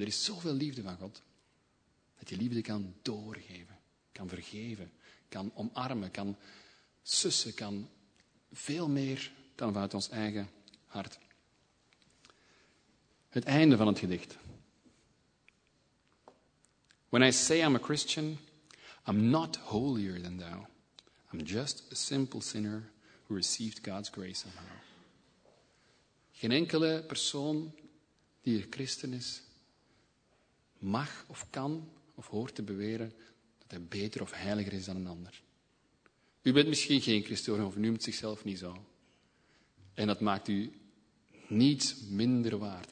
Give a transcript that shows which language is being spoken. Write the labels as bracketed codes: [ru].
[nl] Er is zoveel liefde van God dat je liefde kan doorgeven, kan vergeven, kan omarmen, kan sussen, kan veel meer dan vanuit ons eigen hart. Het einde van het gedicht. [en] When I say I'm a Christian, I'm not holier than thou. I'm just a simple sinner who received God's grace somehow. [nl] Geen enkele persoon die een christen is, mag of kan of hoort te beweren dat hij beter of heiliger is dan een ander. U bent misschien geen christen of noemt zichzelf niet zo. En dat maakt u niets minder waard.